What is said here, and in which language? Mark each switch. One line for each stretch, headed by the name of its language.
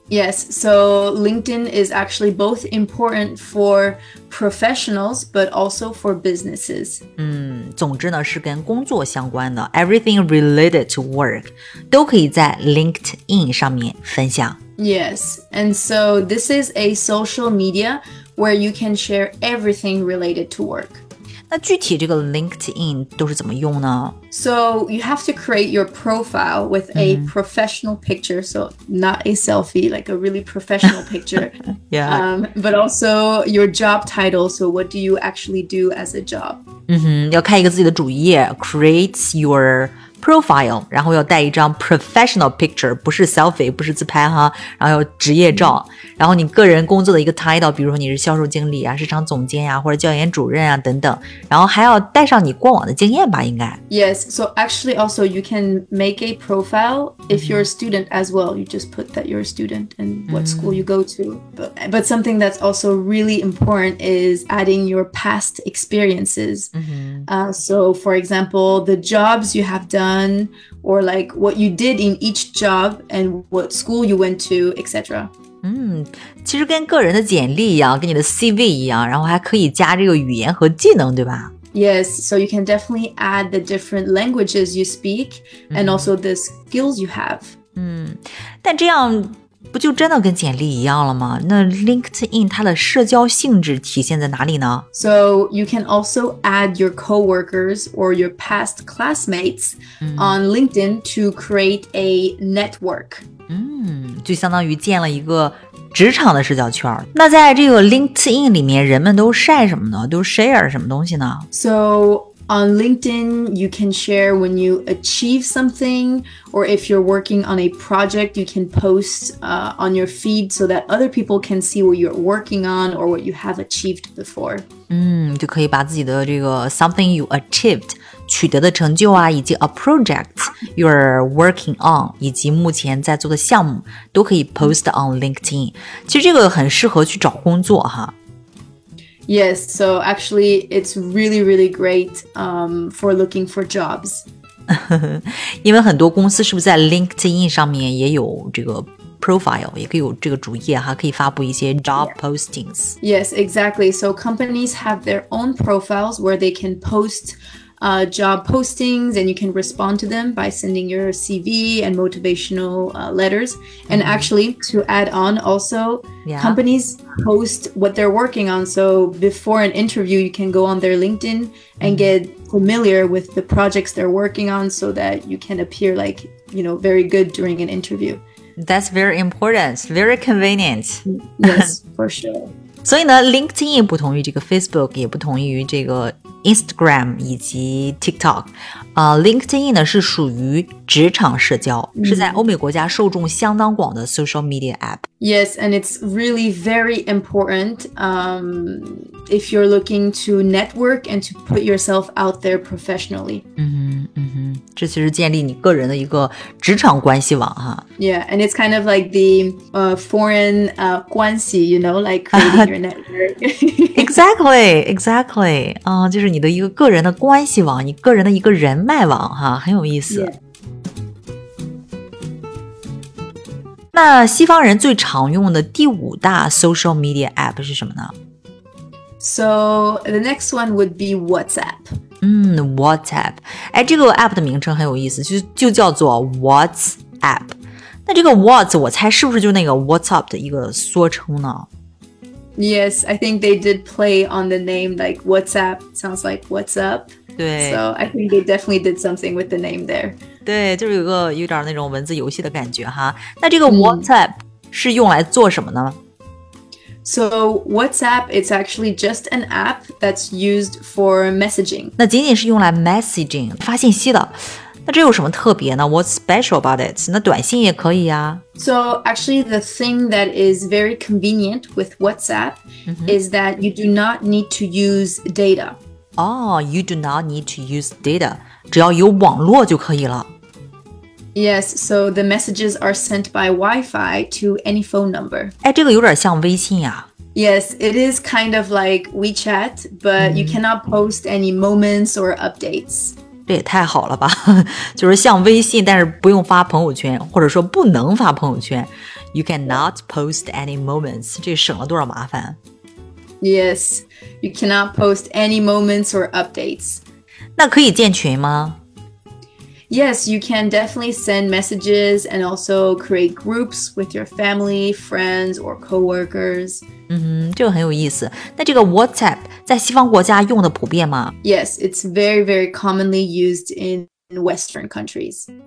English: Yes, so LinkedIn is actually both important for professionals, but also for businesses.
Chinese: 总之呢是跟工作相关的 ，
English: everything related to work，
Chinese: 都可以在 LinkedIn 上面分享。
English: Yes, and so this is a social media where you can share everything related to work.
Chinese: 那具体这个 LinkedIn 都是怎么用呢？
English: So you have to create your profile with a professional picture, so not a selfie, like a really professional picture. Yeah. But also your job title, so what do you actually do as a job?
Chinese: 要开一个自己的主页
English: create your profile，
Chinese: 然后要带一张
English: professional picture，
Chinese: 不是 selfie， 不是自拍哈，然后要职业照，然后你个人工作的一个 title， 比如说你是销售经理啊，市场总监啊，或者教研主任啊等等，然后还要带上你过往的经验吧，应该。
English: Yes, so actually also you can make a profile if you're a student as well. You just put that you're a student and what school you go to. But something that's also really important is adding your past experiences. So for example, the jobs you have done or like what you did in each job and what school you went to, etc.
Chinese: 其实跟个人的简历一样，跟你的 CV 一样，然后还可以加这个语言和技能，对吧？
English: Yes, so you can definitely add the different languages you speak and also the skills you have.
Chinese: 但这样不就真的跟简历一样了吗？那 LinkedIn 它的社交性质体现在哪里呢？
English: So you can also add your coworkers or your past classmates on LinkedIn to create a network.
Chinese: 就相当于建了一个职场的社交圈。那在这个 LinkedIn 里面，人们都晒什么呢？都 share 什么东西呢？
English: So on LinkedIn, you can share when you achieve something, or if you're working on a project, you can post on your feed so that other people can see what you're working on or what you have achieved before.
Chinese: 就可以把自己的这个
English: something you achieved.
Chinese: 取得的成就啊，以及
English: a project you're working on，
Chinese: 以及目前在做的项目，都可以
English: post on LinkedIn。
Chinese: 其实这个很适合去找工作哈。
English: Yes, so actually it's really, really great for looking for jobs.
Chinese: 因为很多公司是不是在 LinkedIn 上面也有这个profile， 也可以有这个主页哈，可以发布一些
English: job postings. Yes, exactly. So companies have their own profiles where they can postjob postings and you can respond to them by sending your CV and motivational letters and actually to add on also companies post what they're working on so before an interview you can go on their LinkedIn and get familiar with the projects they're working on so that you can appear like you know very good during an interview that's very important very convenient yes for sure
Chinese: 所以呢 LinkedIn 也不同于这个 Facebook 也不同于这个Instagram 以及 TikTok、LinkedIn 呢是属于职场社交、是在欧美国家受众相当广的
English: social media app Yes, and it's really very important if you're looking to network and to put yourself out there professionally
Chinese: 这其实建立你个人的一个职场关系网哈
English: Yeah, and it's kind of like the foreign 关系 you know, like creating your network
Chinese: Exactly, 就是你的一个个人的关系网，你个人的一个人脉网哈，很有意思。
English: Yeah.
Chinese: 那西方人最常用的第五大
English: social media app
Chinese: 是什么呢？
English: So the next one would be WhatsApp. WhatsApp.
Chinese: 哎，这个 app 的名称很有意思，就叫做 WhatsApp。那这个 What 我猜是不是就那个 WhatsApp 的一个缩称呢？
English: Yes, I think they did play on the name, like WhatsApp sounds like what's up.
Chinese: 对
English: So I think they definitely did something with the name there.
Chinese: 对，就是有个有点那种文字游戏的感觉哈。那这个 WhatsApp 是用来做什么呢？
English: So WhatsApp, it's actually just an app that's used for messaging.
Chinese: 那仅仅是用来 messaging, 发信息的。那这有什么特别呢？
English: What's special about it?
Chinese: 那短信也可以啊。
English: So actually the thing that is very convenient with WhatsApp is that you do not need to use data. Oh, you do not need to use data.
Chinese: 只要有网络就可以了。
English: Yes, so the messages are sent by Wi-Fi to any phone number.
Chinese: 哎，这个有点像微信啊。
English: Yes, it is kind of like WeChat, but you cannot post any moments or updates.
Chinese: 这也太好了吧，就是像微信，但是不用发朋友圈，或者说不能发朋友圈。
English: You cannot post any moments.
Chinese: 这省了多少麻烦。
English: Yes, you cannot post any moments or updates.
Chinese: 那可以建群吗？
English: Yes, you can definitely send messages and also create groups with your family, friends, or coworkers.
Chinese: 这个很有意思。那这个 WhatsApp 在西方国家用的普遍吗？
English: Yes, it's very, very commonly used in Western countries.